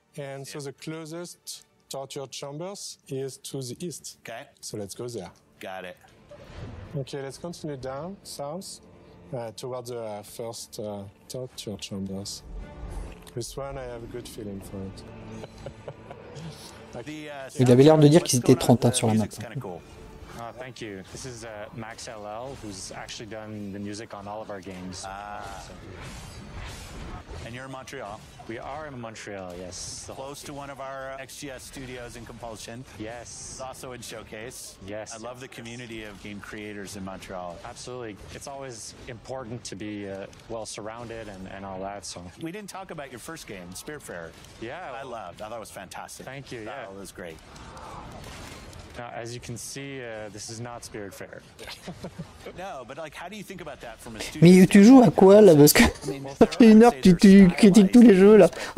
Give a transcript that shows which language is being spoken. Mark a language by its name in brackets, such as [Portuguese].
[English] And so the closest torture chambers is to the east. Okay. So let's go there. Got it. Okay, let's continue down south towards the first torture chambers. This one, I have a good feeling for it. [French] Il avait l'air de dire qu'ils étaient 30 sur la map. [English] Thank you. This is Max LL, who's actually done the music on all of our games. And you're in Montreal. We are in Montreal, yes. Close to one of our XGS studios in Compulsion. Yes. It's also in Showcase. Yes. I love the community of game creators in Montreal. Absolutely. It's always important to be well surrounded and all that. So we didn't talk about your first game, Spiritfarer. Yeah. Well, I loved. I thought it was fantastic. Thank you. That was great. Now, as you can see, this is not Spiritfarer. No, but like, how do you think about that from a studio? [French] Mais tu joues à quoi là? Parce que ça fait une heure que tu critiques tous les jeux là.